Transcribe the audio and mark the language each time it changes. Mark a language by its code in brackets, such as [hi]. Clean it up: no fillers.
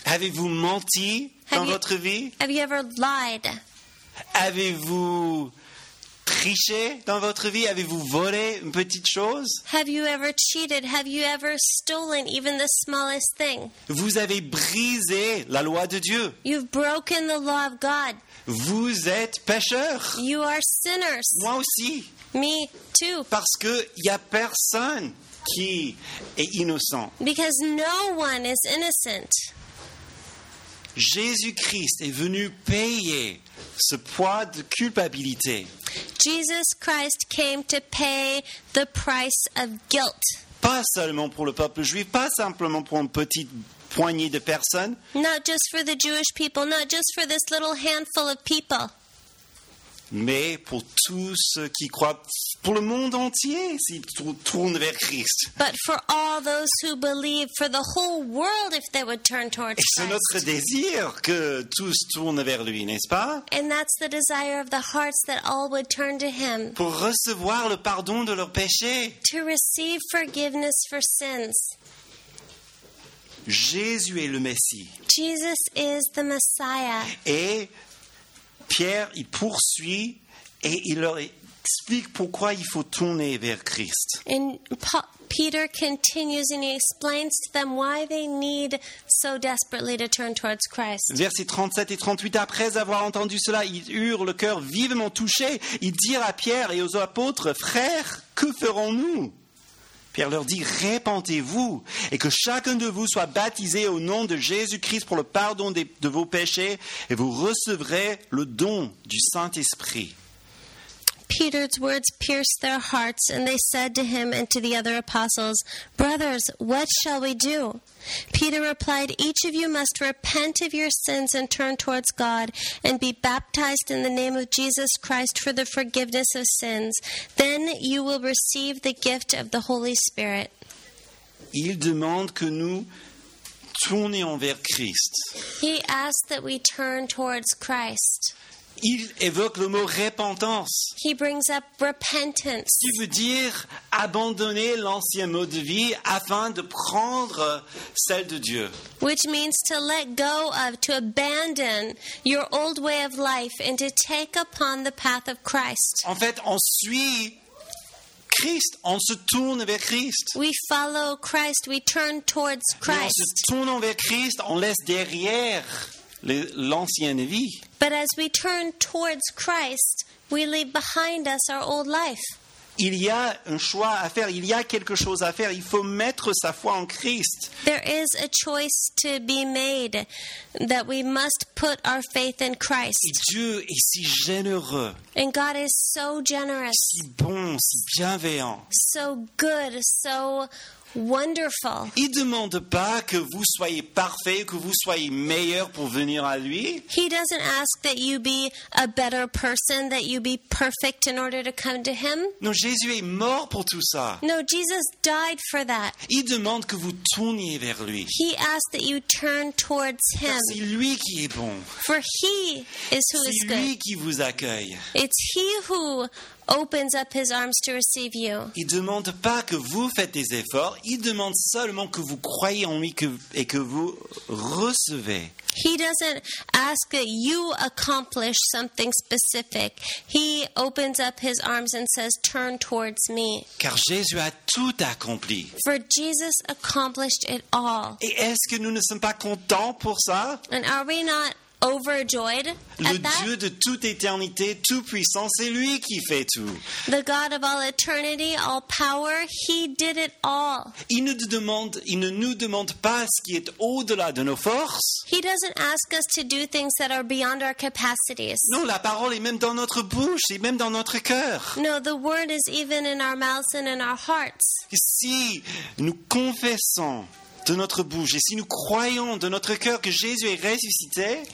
[fr] Avez-vous menti dans votre vie? [en] Have you ever lied? [fr] Avez-vous triché dans votre vie? Avez-vous volé une petite chose? [en] Have you ever cheated? Have you ever stolen even the smallest thing? [fr] Vous avez brisé la loi de Dieu. [en] You've broken the law of God. [fr] Vous êtes pécheurs. [en] You are sinners. [fr] Moi aussi. [en] Me too. [fr] Parce que il y a personne qui est innocent. [en] Because no one is innocent. [fr] Jésus-Christ est venu payer ce poids de culpabilité. [en] Jesus Christ came to pay the price of guilt. [fr] Pas seulement pour le peuple juif, pas simplement pour une petite poignée de personnes. [en] Not just for the Jewish people, not just for this little handful of people. [fr] Mais pour tous ceux qui croient, pour le monde entier, s'ils tournent vers Christ. [en] But for all those who believe, for the whole world, if they would turn towards Christ. [fr] Et c'est notre désir que tous tournent vers lui, n'est-ce pas? [en] And that's the desire of the hearts that all would turn to him. [fr] Pour recevoir le pardon de leurs péchés. [en] To receive forgiveness for sins. [fr] Jésus est le Messie. [en] Jesus is the Messiah. [fr] Et Pierre, il poursuit et il leur explique pourquoi il faut tourner vers Christ. [en] And Peter continues and he explains to them why they need so desperately to turn towards Christ. [fr] Versets 37 et 38, après avoir entendu cela, ils eurent le cœur vivement touché. Ils dirent à Pierre et aux apôtres, « Frères, que ferons-nous ?» Pierre leur dit, « Répentez-vous et que chacun de vous soit baptisé au nom de Jésus-Christ pour le pardon de vos péchés et vous recevrez le don du Saint-Esprit. » [en] Peter's words pierced their hearts, and they said to him and to the other apostles, Brothers, what shall we do? Peter replied, Each of you must repent of your sins and turn towards God, and be baptized in the name of Jesus Christ for the forgiveness of sins. Then you will receive the gift of the Holy Spirit. [fr] Il demande que nous tournions vers Christ. [en] He asked that we turn towards Christ. [fr] Il évoque le mot repentance. [en] He brings up repentance. [fr] Qui veut dire abandonner l'ancien mode de vie afin de prendre celle de Dieu. [en] Which means to let go of, to abandon your old way of life and to take upon the path of Christ. [fr] En fait, on suit Christ, on se tourne vers Christ. [en] We follow Christ, we turn towards Christ. [fr] En se tournant vers Christ, on laisse derrière l'ancienne vie. [en] But as we turn towards Christ, we leave behind us our old life. [fr] Il y a un choix à faire, il y a quelque chose à faire, il faut mettre sa foi en Christ. [en] There is a choice to be made that we must put our faith in Christ. [fr] Et Dieu est si généreux. [en] And God is so generous. [fr] Si bon, si bienveillant. [en] So good, so Wonderful. [fr] Il demande pas que vous soyez parfait, que vous soyez meilleur pour venir à lui. [en] He doesn't ask that you be a better person, that you be perfect in order to come to him. [fr] Non, Jésus est mort pour tout ça. [en] No, Jesus died for that. [fr] Il demande que vous tourniez vers lui. [en] He asks that you turn towards him. [fr] C'est lui qui est bon. [en] For he is who is good. [fr] C'est lui qui vous accueille. [en] It's he who opens up his arms to receive you. [fr] Il demande pas que vous faites des efforts, il demande seulement que vous croyez en lui et que vous recevez. [en] He doesn't ask that you accomplish something specific. He opens up his arms and says, "Turn towards me." [fr] Car Jésus a tout accompli. [en] For Jesus accomplished it all. [fr] Et est-ce que nous ne sommes pas contents pour ça? [en] And are we not overjoyed [fr] le [en] at that? [fr] Dieu de toute éternité, tout puissant, c'est lui qui fait tout. [en] The God of all eternity, all power, he did it all. [fr] Il ne nous demande pas ce qui est au-delà de nos forces. [en] He doesn't ask us to do things that are beyond our capacities. [fr] Non, la parole est même dans notre bouche, et même dans notre cœur. [en] No, the word is even in our mouths and in our hearts. [fr] Si nous confessons de notre bouche et si nous croyons de notre cœur que Jésus est ressuscité,